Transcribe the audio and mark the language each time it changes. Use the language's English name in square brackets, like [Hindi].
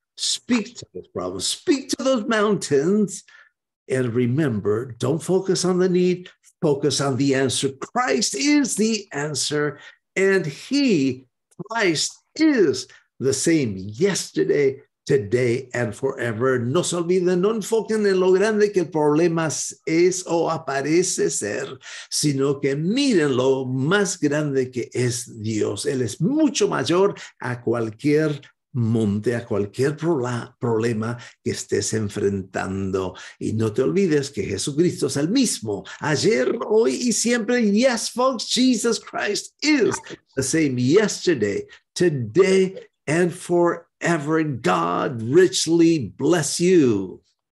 [English] Speak to those problems, speak to those mountains, and remember, don't focus on the need, focus on the answer. Christ is the answer, and He, Christ, is the same yesterday, today, and forever. [Spanish] No se olviden, no enfoquen en lo grande que el problema es o aparece ser, sino que miren lo más grande que es Dios. Él es mucho mayor a cualquier monte, a cualquier problema que estés enfrentando. Y no te olvides que Jesucristo es el mismo, ayer, hoy y siempre. [English] Yes, folks, Jesus Christ is the same yesterday, today, and forever. God richly bless you.